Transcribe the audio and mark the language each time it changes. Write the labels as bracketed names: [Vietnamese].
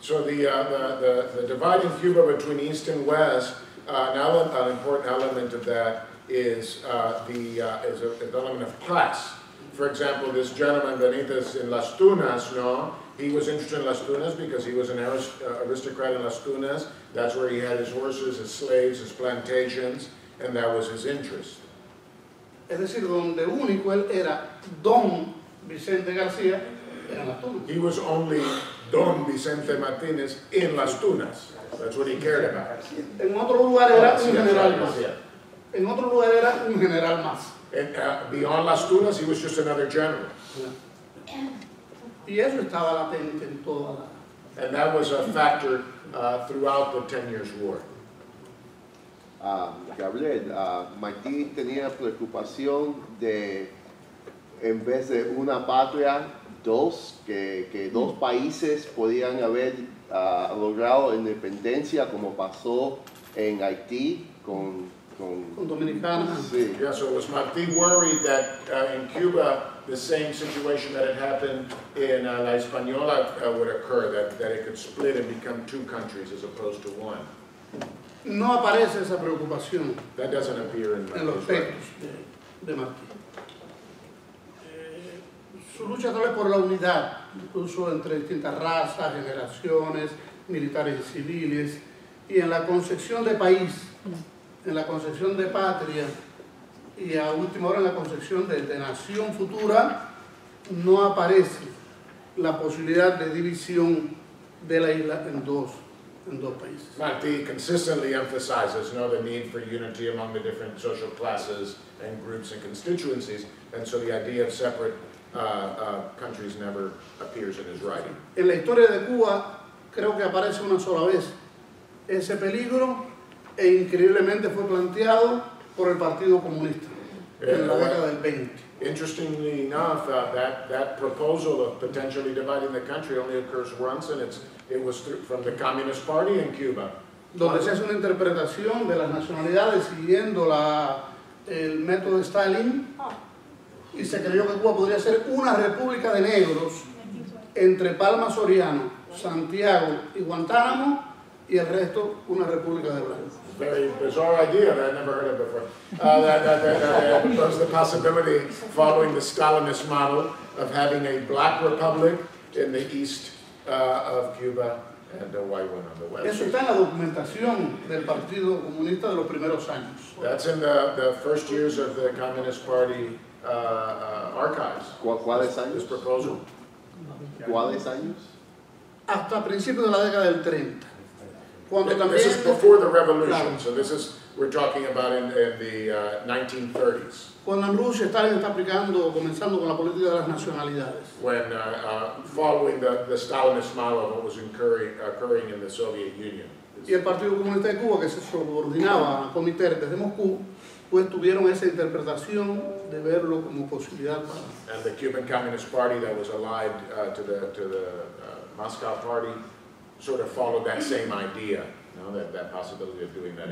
[English] So the divide in Cuba between East and West, an important element of that is an element of class. For example, this gentleman Benitez in Las Tunas, no, he was interested in Las Tunas because he was an aristocrat in Las Tunas. That's where he had his horses, his slaves, his plantations, and that was his interest. [Spanish] Es decir, donde único él era don Vicente García en Las Tunas. [English] He was only Don Vicente Martínez in Las Tunas. That's what he cared about. [Spanish] En otro lugar era un general más. En otro lugar era un general más. [English] Beyond Las Tunas, he was just another general. [Spanish] Y eso estaba latente en toda la... [English] And that was a factor throughout the 10 years war. [Spanish] Gabriel, Martín tenía preocupación de... en vez de una patria, dos, que dos países podían haber logrado independencia, como pasó en Haití con Dominicana. Sí. [English] Yeah, so was Martí worried that in Cuba, the same situation that had happened in La Española would occur, that it could split and become two countries as opposed to one? [Spanish] No aparece esa preocupación. [English] That doesn't appear in [Spanish] Martí's los textos de Martí. Su lucha tal vez por la unidad, incluso entre distintas razas, generaciones, militares y civiles, y en la concepción de país, en la concepción de patria, y a última hora en la concepción de nación futura, no aparece la posibilidad de división de la isla en dos países. [English] Martí consistently emphasizes, you know, the need for unity among the different social classes and groups and constituencies, and so the idea of separate countries never appears in his writing. [Spanish] En la historia de Cuba, creo que aparece una sola vez ese peligro, e increíblemente fue planteado por el Partido Comunista en la década del 20. [English] Interestingly enough, that proposal of potentially dividing the country only occurs once, and it was from the Communist Party in Cuba. [Spanish] Donde se hace una interpretación de las nacionalidades siguiendo el método de Stalin. Y se creyó que Cuba podría ser una república de negros entre Palma Soriano, Santiago y Guantánamo, y el resto una república de blancos. [English] Very bizarre idea that I never heard of before. That was the possibility, following the Stalinist model, of having a black republic in the east of Cuba and a white one on the west. [Spanish] Eso está en la documentación del Partido Comunista de los primeros años. [English] That's in the first years of the Communist Party. Archives. [Spanish] ¿Cuáles años? [English] This proposal. [Spanish] ¿Cuáles años? Hasta principios de la década del 30. Cuando [English] this [Spanish] también... [English] is before the revolution, claro. So this is, we're talking about in the 1930s. [Spanish] Cuando en Rusia Stalin está aplicando, comenzando con la política de las nacionalidades. [English] When following the Stalinist model of what was occurring in the Soviet Union. [Spanish] Y el Partido Comunista de Cuba, que se subordinaba al Comité desde Moscú, pues tuvieron esa interpretación de verlo como posibilidad. [English] And the Cuban Communist Party that was allied to the Moscow Party sort of followed that same idea, you know, that possibility of doing that.